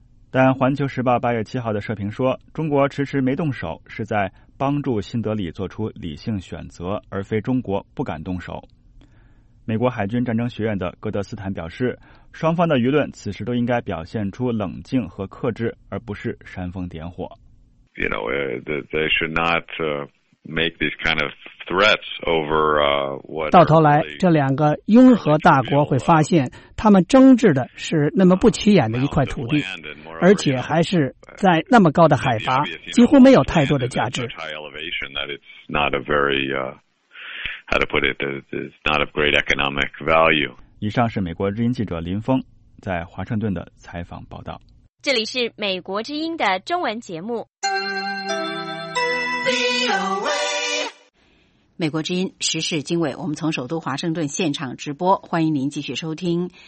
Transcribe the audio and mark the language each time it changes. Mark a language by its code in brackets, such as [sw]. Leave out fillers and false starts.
[zh] 但《环球时报》8月7号的社评说，中国迟迟没动手，是在帮助新德里做出理性选择，而非中国不敢动手。美国海军战争学院的戈德斯坦表示，双方的舆论此时都应该表现出冷静和克制，而不是煽风点火。 [en] You know, they should not make these kind of threats over what. [zh] 到头来，这两个拥核大国会发现，他们争执的是那么不起眼的一块土地，而且还是在那么高的海拔，几乎没有太多的价值。 [en] How to put it, it's not of great economic value. [zh] 以上是美国之音记者林峰在华盛顿的采访报道。这里是美国之音的中文节目。美国之音时事经纬，我们从首都华盛顿现场直播，欢迎您继续收听。